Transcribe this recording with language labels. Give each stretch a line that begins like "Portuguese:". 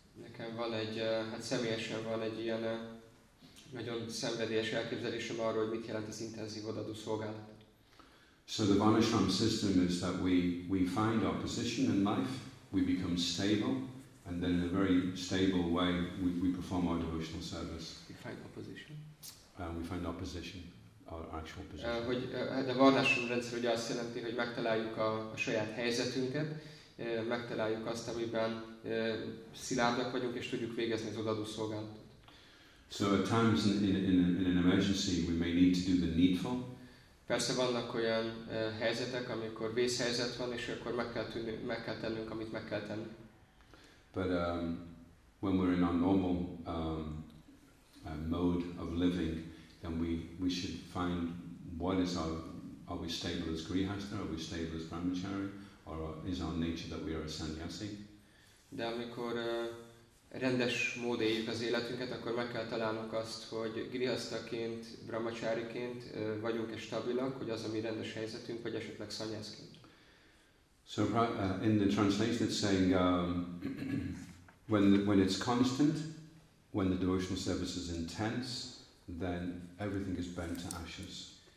Hungarian: Nekem van egy, hát személyesen van egy ilyen nagyon szenvedélyes elképzelésem arról, hogy mit jelent az intenzív odaadó szolgálat.
English: So the Vanashram system is that we find our position in life, we become stable, and then in a very stable way we perform our devotional service. We find our position. We find our position, our actual position.
Hungarian: Hogy a Vanashram rendszer ugye azt jelenti, hogy megtaláljuk a saját helyzetünket, megtaláljuk azt, amiben szilárdak vagyunk, és tudjuk végezni az odaadó szolgálatot.
English: So at times in an emergency we may need to do the needful.
Hungarian: Persze vannak olyan helyzetek, amikor vészhelyzet van, és akkor meg kell tennünk, amit meg kell tenni.
English: But when we're in our normal mode of living, then we should find what is our, are we stable as Grihastha, are we stable as Brahmachari, or is our nature that we are a sannyasi?
Hungarian: De amikor rendes módon éljük az életünket, akkor meg kell találnunk azt, hogy grihasztaként, brahmacháriként vagyunk-e stabilak, hogy az a mi rendes helyzetünk, vagy esetleg szanyászként.
English: So in the translation it's saying when it's constant, when the devotional service is intense, then everything is burnt to ashes.